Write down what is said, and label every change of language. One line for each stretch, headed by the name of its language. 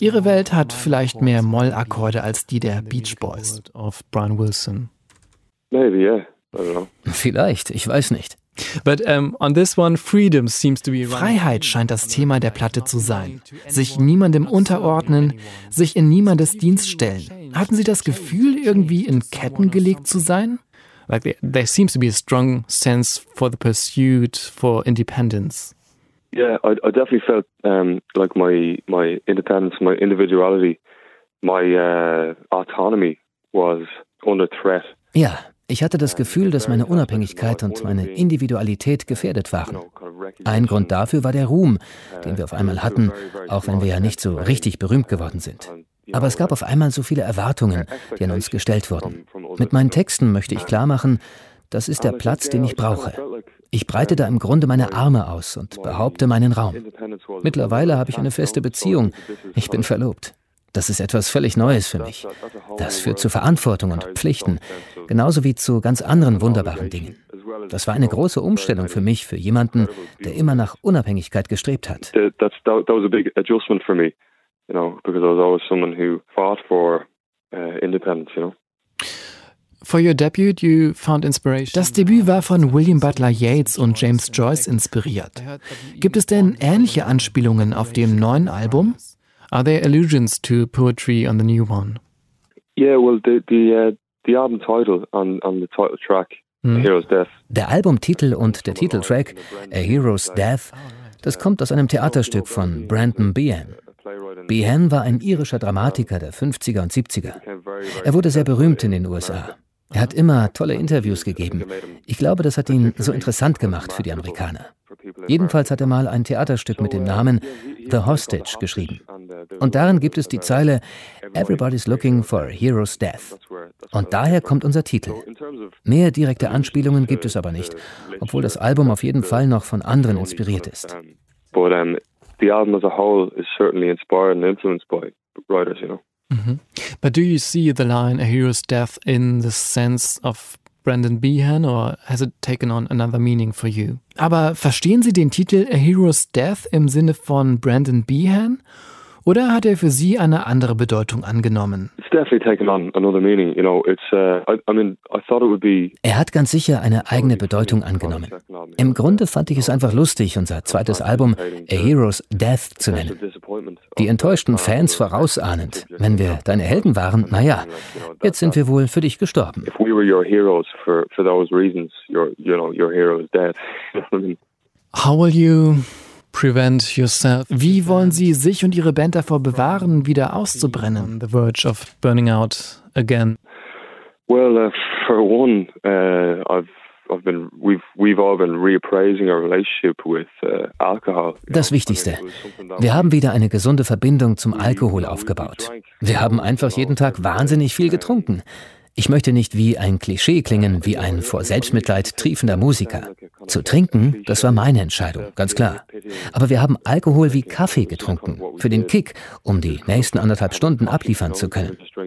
German: Ihre Welt hat vielleicht mehr Moll-Akkorde als die der Beach Boys.
English: Of Brian Wilson. Maybe, yeah. I don't know.
German: Vielleicht, ich weiß nicht.
English: But on this one, freedom seems to be.
German: Freiheit scheint das Thema der Platte zu sein. Sich niemandem unterordnen, sich in niemandes Dienst stellen. Hatten Sie das Gefühl, irgendwie in Ketten gelegt zu sein?
English: Like there seems to be a strong sense for the pursuit for independence. Yeah, I definitely felt like my independence, my individuality, my autonomy was under threat.
German: Ja, ich hatte das Gefühl, dass meine Unabhängigkeit und meine Individualität gefährdet waren. Ein Grund dafür war der Ruhm, den wir auf einmal hatten, auch wenn wir ja nicht so richtig berühmt geworden sind. Aber es gab auf einmal so viele Erwartungen, die an uns gestellt wurden. Mit meinen Texten möchte ich klarmachen, das ist der Platz, den ich brauche. Ich breite da im Grunde meine Arme aus und behaupte meinen Raum. Mittlerweile habe ich eine feste Beziehung. Ich bin verlobt. Das ist etwas völlig Neues für mich. Das führt zu Verantwortung und Pflichten, genauso wie zu ganz anderen wunderbaren Dingen. Das war eine große Umstellung für mich, für jemanden, der immer nach Unabhängigkeit gestrebt hat. Das war ein großes Adjustment für mich, weil ich immer jemand war, der für Independence kämpfte.
English: For your debut, you found inspiration.
German: Das Debüt war von William Butler Yeats und James Joyce inspiriert. Gibt es denn ähnliche Anspielungen auf dem neuen Album?
English: Are there allusions to poetry on the new one? Yeah, well, the album title on the title track, Hero's Death.
German: Der Albumtitel und der Titeltrack, A Hero's Death, das kommt aus einem Theaterstück von Brandon Behan. Behan war ein irischer Dramatiker der 50er und 70er. Er wurde sehr berühmt in den USA. Er hat immer tolle Interviews gegeben. Ich glaube, das hat ihn so interessant gemacht für die Amerikaner. Jedenfalls hat er mal ein Theaterstück mit dem Namen The Hostage geschrieben. Und darin gibt es die Zeile
English: Everybody's looking for a hero's death.
German: Und daher kommt unser Titel. Mehr direkte Anspielungen gibt es aber nicht, obwohl das Album auf jeden Fall noch von anderen inspiriert ist.
English: The album as a whole is certainly inspired and influenced by writers, you know. Mm-hmm. But do you see the line "a hero's death" in the sense of Brandon Behan, or has it taken on another meaning for you?
German: Aber verstehen Sie den Titel "a hero's death" im Sinne von Brandon Behan, oder hat er für Sie eine andere Bedeutung angenommen?
English: It's definitely taken on another meaning, you know. I thought it would be.
German: Er hat ganz sicher eine eigene Bedeutung angenommen. Im Grunde fand ich es einfach lustig, unser zweites Album A Hero's Death zu nennen. Die enttäuschten Fans vorausahnend. Wenn wir deine Helden waren, naja, jetzt sind wir wohl für dich gestorben.
English: If we were your heroes for those reasons, your hero is dead. How will you prevent yourself?
German: Wie wollen Sie sich und Ihre Band davor bewahren, wieder auszubrennen?
English: The verge of burning out again. Well, for one, we've all been reappraising our relationship with alcohol.
German: Das Wichtigste. Wir haben wieder eine gesunde Verbindung zum Alkohol aufgebaut. Wir haben einfach jeden Tag wahnsinnig viel getrunken. Ich möchte nicht wie ein Klischee klingen, wie ein vor Selbstmitleid triefender Musiker. Zu trinken, das war meine Entscheidung, ganz klar. Aber wir haben Alkohol wie Kaffee getrunken, für den Kick, um die nächsten anderthalb Stunden abliefern zu können.